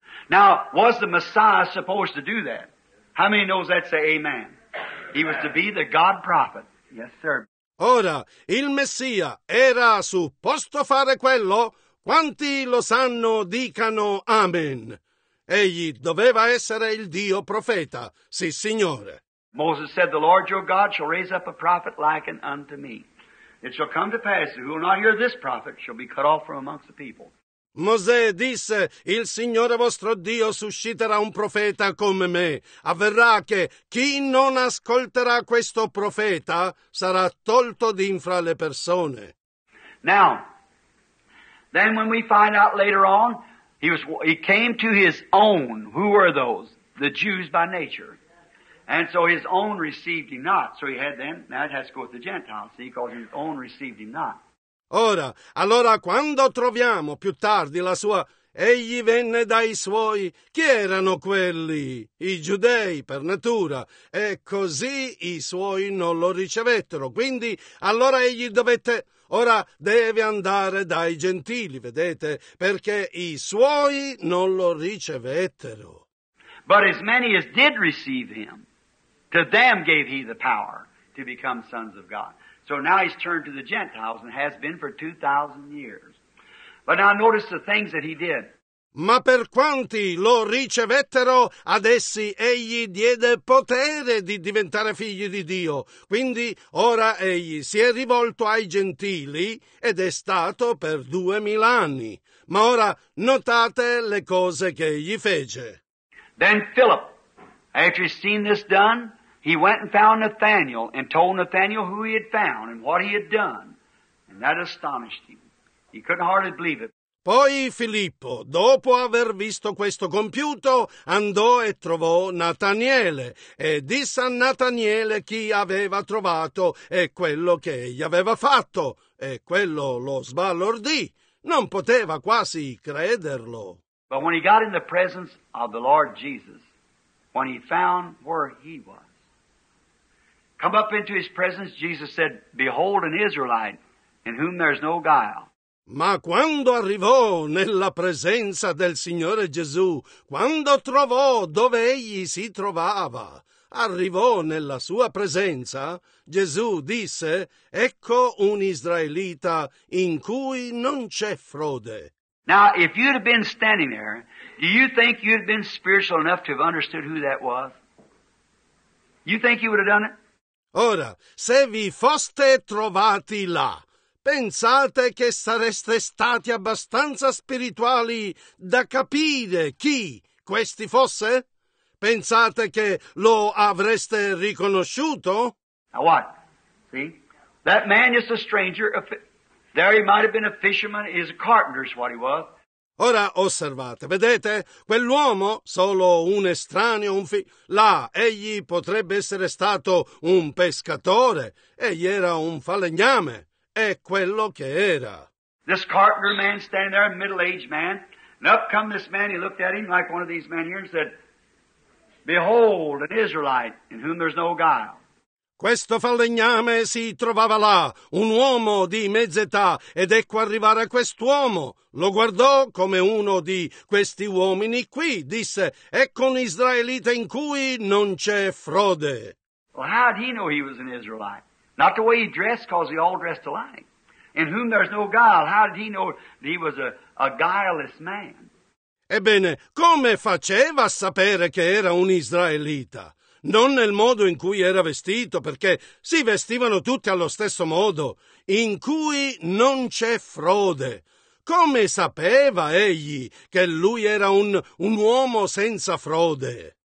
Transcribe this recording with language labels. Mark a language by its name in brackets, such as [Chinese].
[English] Now, was the Messiah supposed to do that? How many knows that? Say amen. He was to be the God prophet. Yes, sir. [Italian] Ora, il Messia era supposto fare quello? Quanti lo sanno, dicano amen. Egli doveva essere il Dio profeta, sì, Signore. [English] Moses said, the Lord your God shall raise up a prophet like unto me. It shall come to pass that who will not hear this prophet shall be cut off from amongst the people. [Italian] Mosè disse, il Signore vostro Dio susciterà un profeta come me. Avverrà che chi non ascolterà questo profeta sarà tolto di infra le persone. [English] Now, then when we find out later on, he came to his own. Who were those? The Jews by nature. And so his own received him not. So he had them, now it has to go with the Gentiles, see, because his own received him not. [Italian] Ora, allora quando troviamo più tardi la sua, egli venne dai suoi, chi erano quelli? I giudei per natura, e così i suoi non lo ricevettero. Quindi allora egli dovette, ora deve andare dai gentili, vedete, perché i suoi non lo ricevettero. [English] But as many as did receive him, to them gave he the power to become sons of God. So now he's turned to the Gentiles and has been for 2,000 years. But now notice the things that he did. [Italian] Ma per quanti lo ricevettero, ad essi egli diede potere di diventare figli di Dio. Quindi ora egli si è rivolto ai gentili ed è stato per 2,000 anni. Ma ora notate le cose che egli fece. [English] Then Philip, after he's seen this done, he went and found Nathanael and told Nathanael who he had found and what he had done. And that astonished him. He couldn't hardly believe it. [Italian] Poi Filippo, dopo aver visto questo compiuto, andò e trovò Nathanaele e disse a Nathanaele chi aveva trovato e quello che egli aveva fatto. E quello lo sbalordì. Non poteva quasi crederlo. [English] But when he got in the presence of the Lord Jesus, when he found where he was, come up into his presence, Jesus said, behold an Israelite in whom there's no guile. [Italian] Ma quando arrivò nella presenza del Signore Gesù, quando trovò dove egli si trovava, arrivò nella sua presenza, Gesù disse, ecco un Israelita in cui non c'è frode. [English] Now, if you'd have been standing there, do you think you'd have been spiritual enough to have understood who that was? You think you would have done it? [Italian] Ora, se vi foste trovati là, pensate che sareste stati abbastanza spirituali da capire chi questi fosse? Pensate che lo avreste riconosciuto? [English] Now what? See? That man is a stranger. There he might have been a fisherman. He is a carpenter, is what he was. [Italian] Ora osservate, vedete, quell'uomo, solo un estraneo, là, egli potrebbe essere stato un pescatore, egli era un falegname, è quello che era. [English] This carpenter man standing there, a middle-aged man, and up come this man, he looked at him like one of these men here and said, behold, an Israelite in whom there's no guile. [Italian] Questo falegname si trovava là, un uomo di mezza età, ed ecco arrivare quest'uomo. Lo guardò come uno di questi uomini qui, disse, ecco un israelita in cui non c'è frode. [English] Well, how did he know he was an Israelite? Not the way he dressed, because they all dressed alike. In whom there's no guile. How did he know that he was a guileless man? [Italian] Ebbene, come faceva a sapere che era un israelita? Non nel modo in cui era vestito, perché si vestivano tutti allo stesso modo, in cui non c'è frode. Come sapeva egli che lui era un uomo senza frode?